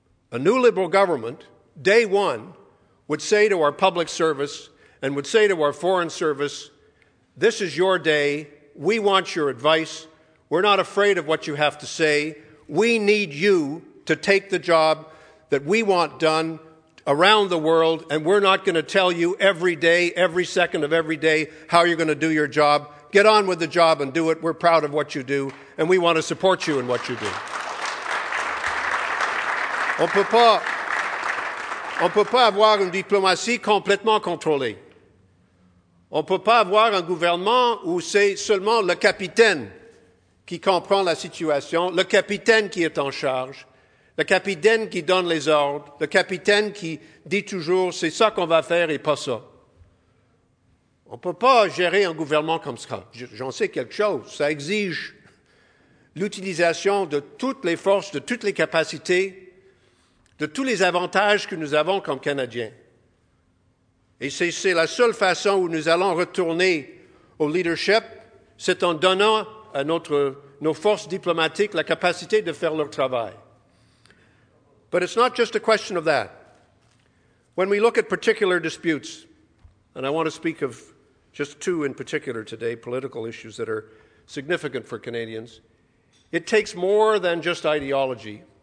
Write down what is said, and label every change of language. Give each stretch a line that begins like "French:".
English: A new Liberal government, day one, would say to our public service and would say to our foreign service, this is your day, we want your advice, we're not afraid of what you have to say, we need you to take the job that we want done around the world, and we're not going to tell you every day, every second of every day, how you're going to do your job. Get on with the job and do it. We're proud of what you do, and we want to support you in what you do.
French: On peut pas avoir une diplomatie complètement contrôlée. On peut pas avoir un gouvernement où c'est seulement le capitaine qui comprend la situation, le capitaine qui est en charge, le capitaine qui donne les ordres, le capitaine qui dit toujours c'est ça qu'on va faire et pas ça. On peut pas gérer un gouvernement comme ça. J'en sais quelque chose. Ça exige l'utilisation de toutes les forces, de toutes les capacités, de tous les avantages que nous avons comme Canadiens. Et c'est la seule façon où nous allons retourner au leadership, c'est en donnant à nos forces diplomatiques la capacité de faire leur travail.
English: But it's not just a question of that. When we look at particular disputes, and I want to speak of just two in particular today, political issues that are significant for Canadians, it takes more than just ideology.